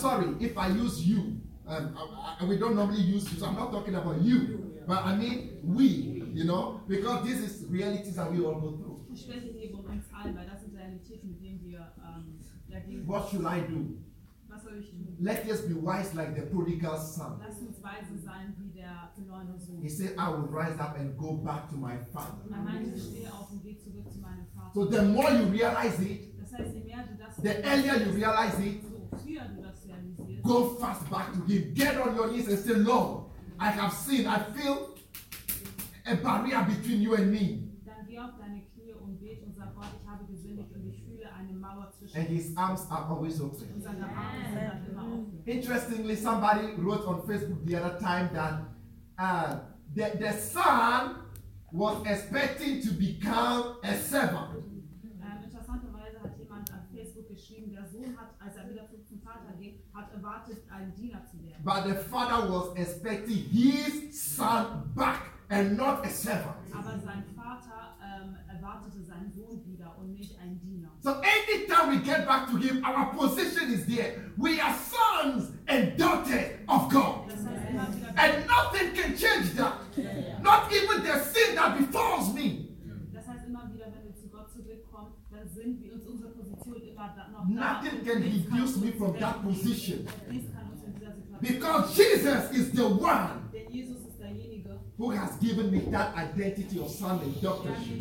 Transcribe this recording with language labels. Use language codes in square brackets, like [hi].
[en] Sorry, if I use you, we don't normally use you, so I'm not talking about you, but I mean we, you know, because this is realities that we all go through. [de] Ich spreche hier über uns alle, weil das sind Realitäten, mit denen wir dagegen. [en] What should I do? [de] Was soll ich tun? [en] Let us be wise like the prodigal son. [de] Lass uns weise sein wie der verlorene Sohn. [en] He said, I will rise up and go back to my father. [de] Er meinte, ich stehe auf und gehe zurück zu meinem Vater. [en] So the more you realize it, [de] das heißt, je mehr du das, [en] the earlier you realize it, [de] so früher du das realisierst, [en] go fast back to him. Get on your knees and say, Lord, I have seen, I feel a barrier between you and me. [de] Dann geh auf deine Knie und bete und sag, Gott, ich habe gesündigt. [en] And his arms are always open. Yeah. Interestingly, somebody wrote on Facebook the other time that the son was expecting to become a servant. [de] Interessanterweise hat jemand auf Facebook geschrieben, der Sohn hat, als wieder zum Vater ging, hat erwartet, ein Diener zu werden. [en] But the father was expecting his son back and not a servant. [de] Aber sein Vater erwartete seinen Sohn wieder und nicht einen Diener. [en] So anytime we get back to him, our position is there. We are sons and daughters of God. And nothing can change that. Not even the sin that befalls me. [de] Das heißt immer wieder, wenn wir zu Gott zurückkommen, dann sind wir uns unsere Position immer noch. [en] Nothing can reduce me from that position. Because Jesus is the one who has given me that identity of son and daughter.